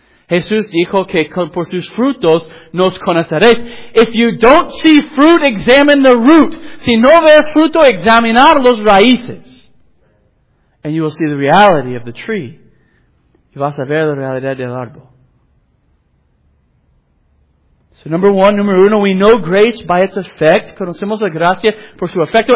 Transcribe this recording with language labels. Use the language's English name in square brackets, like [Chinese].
[Spanish] Jesús dijo que por sus frutos nos conoceréis. [English] If you don't see fruit, examine the root. [Spanish] Si no ves fruto, examinar los raíces. [English] And you will see the reality of the tree. [Spanish] Y vas a ver la realidad del árbol. [English] So number uno, we know grace by its effect. [Spanish] Conocemos la gracia por su efecto.